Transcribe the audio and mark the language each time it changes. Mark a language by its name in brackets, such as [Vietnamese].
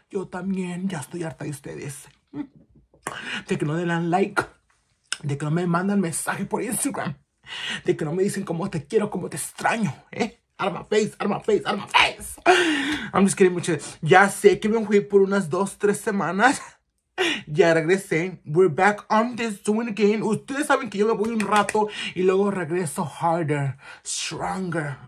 [Spanish] Yo también ya estoy harta de ustedes. De que no le dan like. De que no me mandan mensaje por Instagram. De que no me dicen cómo te quiero, cómo te extraño. [English] Out of my face. I'm just kidding, bitches. [Spanish] Ya sé que me fui por unas 2-3 semanas. Ya regresé, [English] we're back on this doing again. [Spanish] Ustedes saben que yo me voy un rato y luego regreso [English] harder, stronger.